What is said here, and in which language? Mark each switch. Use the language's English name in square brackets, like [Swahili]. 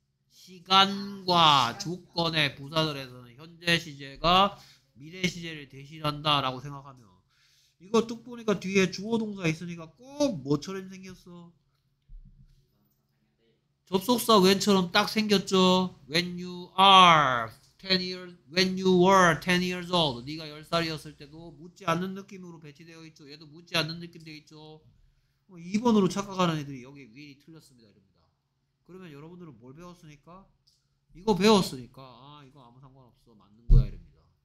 [Korean] 시간과 조건의 부사들에서는 현재 시제가 미래 시제를 대신한다 라고 생각하면 이거 뚝 보니까 뒤에 주어 동사 있으니까 꼭 뭐처럼 생겼어? 접속사 when처럼 딱 생겼죠. [English] When you are 10 years, when you were 10 years old. [Korean] 네가 10살이었을 때도 묻지 않는 느낌으로 배치되어 있죠. 얘도 묻지 않는 느낌 되어 있죠. 2번으로 착각하는 애들이 여기 위에 틀렸습니다. 이럽니다. 그러면 여러분들은 뭘 배웠습니까? 이거 배웠으니까 아 이거 아무 상관없어. 맞는 거야. 이럽니다.